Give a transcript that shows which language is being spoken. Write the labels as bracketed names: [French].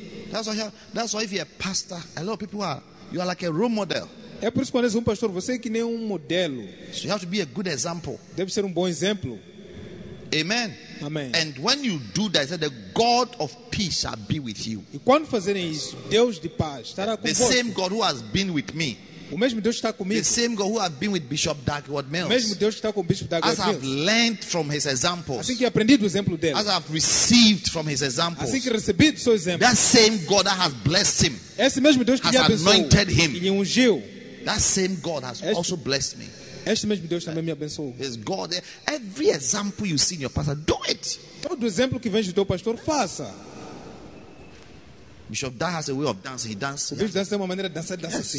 [English] Yes. That's why if you're a pastor, a lot of people are, you are like a role model. [Portuguese] É por isso que quando és pastor, você é que nem modelo. [English] So you have to be a good example. [Portuguese] Deve ser bom exemplo. [English] Amen. [Portuguese] Amém. [English] And when you do that, said, the God of peace shall be with you. [Portuguese] E quando fazerem isso, Deus de paz estará com você. [English] The same God who has been with me. [Portuguese] O mesmo Deus está comigo. [English] The same God who has been with Bishop Dagwood Mills. [Portuguese] O mesmo Deus está com Bishop Dagwood Mills. [English] As I've learned from his examples. [Portuguese] Assim que aprendi do exemplo dele. [English] As I've received from his examples. [Portuguese] Assim que recebi do seu exemplo. [English] That same God that has blessed him. [Portuguese] Esse mesmo Deus que [English] has anointed him. [Portuguese] E ungiu. [English] That same God has also blessed me. [Portuguese] Este mesmo Deus também me abençoou. [English] His God, every example you see in your pastor, do it. [Portuguese] Todo exemplo que vem do teu pastor, faça. [English] Bishop Dar has a way of dancing. He dances. [Portuguese] Bishop Dar tem uma maneira de dançar, dança assim.